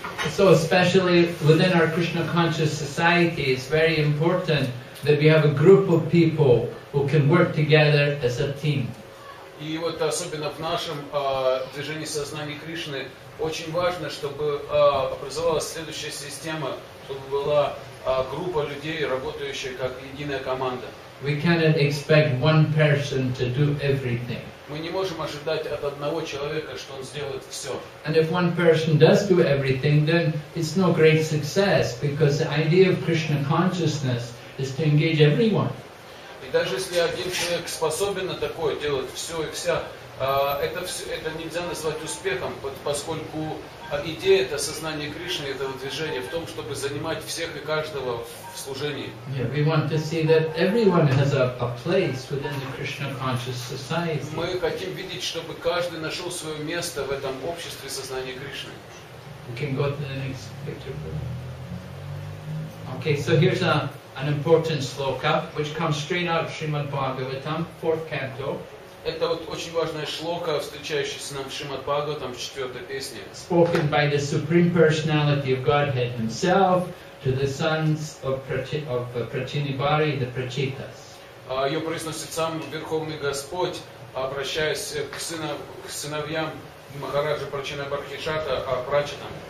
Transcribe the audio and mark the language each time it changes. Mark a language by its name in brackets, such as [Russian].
[English] So especially within our Krishna conscious society, it's very important that we have a group of people who can work together as a team. [Russian] И вот особенно в нашем движении сознания Кришны очень важно, чтобы образовалась следующая система, чтобы была группа людей, работающая как единая команда. [English] We cannot expect one person to do everything. [Russian] Мы не можем ожидать от одного человека, что он сделает все. [English] And if one person does do everything, then it's no great success, because the idea of Krishna consciousness is to engage everyone. [Russian] И даже если один человек способен на такое делать все и вся, это нельзя назвать успехом, поскольку идея это сознание Кришны, этого движения в том, чтобы занимать всех и каждого в служении. [English] Yeah, we want to see that everyone has a place within the Krishna conscious society. [Russian] Мы хотим видеть, чтобы каждый нашел свое место в этом обществе сознания Кришны. [English] We can go to the next picture, please. Okay, so here's an important sloka, which comes straight out of Srimad Bhagavatam, fourth canto. [Russian] Это вот очень важная шлока, встречающаяся нам в Шримад Бхагаватам, четвертой песне. [English] Spoken by the Supreme Personality of Godhead Himself to the sons of Prachinibari, the Prachitas. [Russian] Ее произносит сам Верховный Господь, обращаясь к сыновьям Махараджа Прачинабархишата, а Прачитам.